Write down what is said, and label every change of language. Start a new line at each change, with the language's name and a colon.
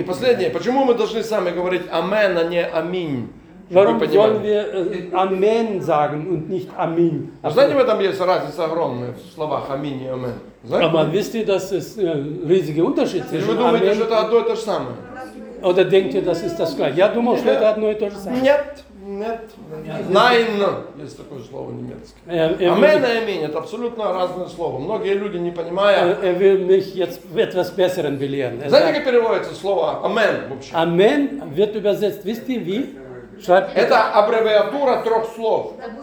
Russian: И последнее, почему мы должны сами говорить «Амен», а не «Аминь»?
German: Warum sollen wir Amen sagen und nicht Amin?
Russian: Знаете, в этом есть разница огромная в словах Амин и Амен.
German: Aber wisst ihr, dass es riesige Unterschied ist?
Russian: Вы думаете, что это одно и то же самое?
German: Oder denkt ihr, das ist das gleiche?
Russian: Я думал, что это одно и то же самое. Нет, нет. Nein, есть такое слово немецкое. Амен и Амин – это абсолютно разное слово. Многие люди не понимают.
German: Er will mich jetzt etwas besseren belehren.
Russian: Знаете, как переводится слово Амен вообще?
German: Амен wird übersetzt, wisst ihr wie?
Russian: Это аббревиатура трех слов.